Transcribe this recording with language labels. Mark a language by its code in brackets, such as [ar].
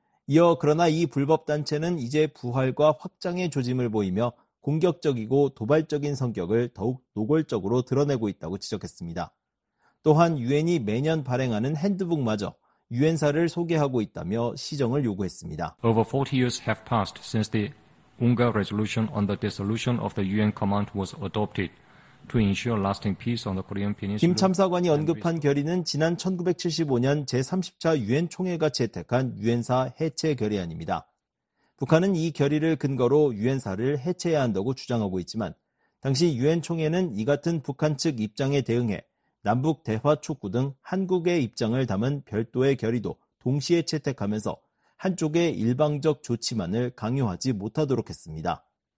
[ko] 이어 그러나 이 불법 단체는 이제 부활과 확장의 조짐을 보이며 공격적이고 도발적인 성격을 더욱 노골적으로 드러내고 있다고 지적했습니다. 또한 유엔이 매년 발행하는 핸드북마저 유엔사를 소개하고 있다며 시정을 요구했습니다. [en] Over 40 years have passed since the Ungar resolution on the dissolution of the UN command was adopted to ensure lasting peace on the Korean Peninsula. [ko] 김 참사관이 언급한 결의는 지난 1975년 제30차 유엔 총회가 채택한 유엔사 해체 결의안입니다. 북한은 이 결의를 근거로 유엔사를 해체해야 한다고 주장하고 있지만 당시 유엔 총회는 이 같은 북한 측 입장에 대응해 남북 대화 촉구 등 한국의 입장을 담은 별도의 결의도 동시에 채택하면서 한쪽의 일방적 조치만을 강요하지 못하도록 했습니다.